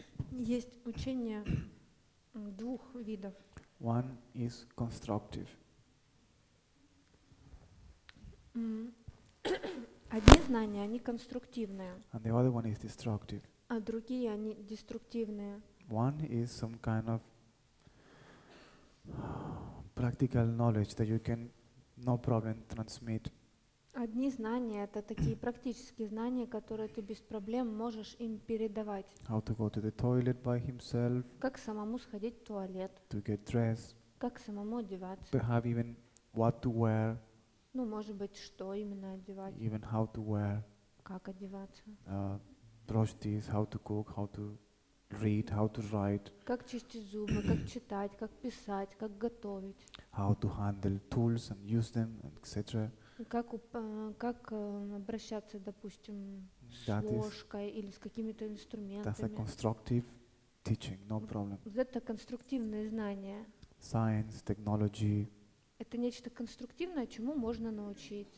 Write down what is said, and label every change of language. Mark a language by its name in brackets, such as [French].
[Russian] Есть учение двух видов. [English] One is constructive. [Russian] Одни знания, они конструктивные. [English] And the other one is destructive. [Russian] а другие они деструктивные. [English] One is some kind of practical knowledge that you can no problem transmit. [Russian] Одни знания — это такие практические знания, которые ты без проблем можешь им передавать. [English] How to go to the toilet by himself. [Russian] Как самому сходить в туалет. [English] To get dressed. [Russian] Как самому одеваться. [English] To have even what to wear. [Russian] Ну, может быть, что именно одевать. [English] Even how to wear. [Russian] Как одеваться. [English] Brush teeth, how to cook, how to read, how to write. [Russian] Как чистить зубы, как читать, как писать, как готовить. [English] How to handle tools and use them, etc. [Russian] Как обращаться, допустим, that с ложкой или с какими-то инструментами. [English] That's a constructive teaching, no problem. [Russian] Это конструктивные знания. [English] Science, technology. [Russian] Это нечто конструктивное, чему можно научить.